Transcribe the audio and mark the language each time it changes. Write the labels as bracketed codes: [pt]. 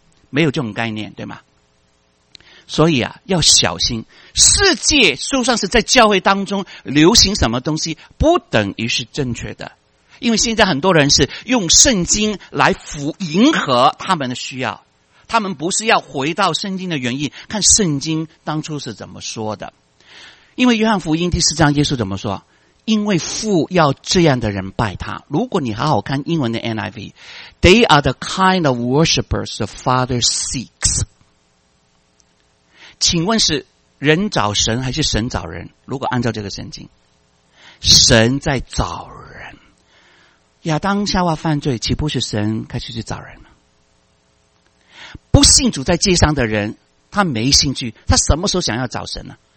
[zh] 没有这种概念，对吗？所以啊，要小心，世界就算是在教会当中流行什么东西，不等于是正确的，因为现在很多人是用圣经来迎合他们的需要，他们不是要回到圣经的原意，看圣经当初是怎么说的。因为约翰福音第四章耶稣怎么说，因为父要这样的人拜他。如果你好好看英文的 [en] NIV， They are the kind of worshippers the Father seeks。 [zh] 请问是人找神还是神找人？如果按照这个圣经，神在找人。亚当夏娃犯罪，岂不是神开始去找人了？不信主在街上的人，他没兴趣，他什么时候想要找神呢？